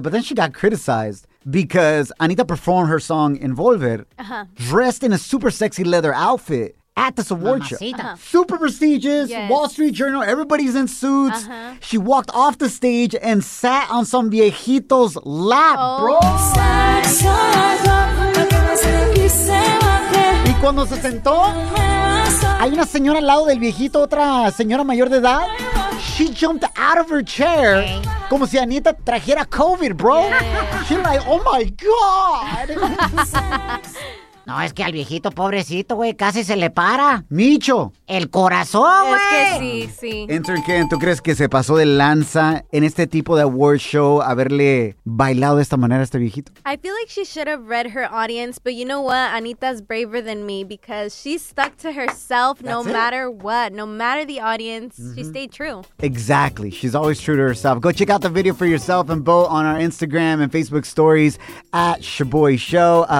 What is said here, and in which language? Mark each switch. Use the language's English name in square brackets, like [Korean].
[English] But then she got criticized because Anita performed her song Envolver dressed in a super sexy leather outfit at this award show. Super prestigious, yes. Wall Street Journal, everybody's in suits. Uh-huh. She walked off the stage and sat on some viejito's lap, bro. [Spanish] Y cuando se sentó, hay una señora al lado del viejito, otra señora mayor de edad. [English] She jumped out of her chair como si Anita trajera COVID, bro. She's like, oh my God. [Spanish] No, es que al viejito, pobrecito, güey, casi se le para. Micho. El corazón, güey. Es que sí, sí. Intern Ken, ¿tú crees que se pasó de lanza en este tipo de award show haberle bailado de esta manera a este viejito? [English] I feel like she should have read her audience, but you know what? Anita's braver than me because she stuck to herself no matter the audience. Mm-hmm. She stayed true. Exactly. She's always true to herself. Go check out the video for yourself and vote on our Instagram and Facebook stories at Shaboy Show.